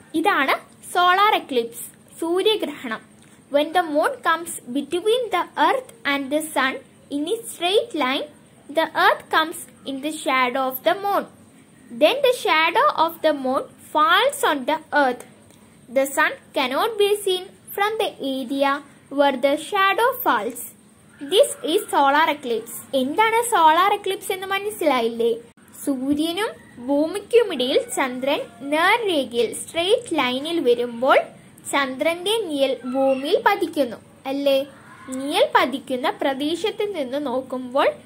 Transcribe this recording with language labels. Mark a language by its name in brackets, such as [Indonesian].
[Malayalam] ഇതാണ് solar Eclipse, സൂര്യഗ്രഹണം. [English] When the moon comes between the earth and the sun in a straight line, the earth comes in the shadow of the moon. Then the shadow of the moon falls on the earth. The sun cannot be seen from the area where the shadow falls. This is solar eclipse. [Malayalam] എന്താണ് solar Eclipse എന്ന് മനസ്സിലായില്ലേ? സൂര്യനും ഭൂമിക്കുമിടയിൽ ചന്ദ്രൻ നേർരേഖയിൽ straight ലൈനിൽ വരുമ്പോൾ ചന്ദ്രന്റെ നിഴൽ ഭൂമിയിൽ പതിക്കുന്നു അല്ലേ? നിഴൽ പതിക്കുന്ന പ്രദേശത്ത് നിന്ന് നോക്കുമ്പോൾ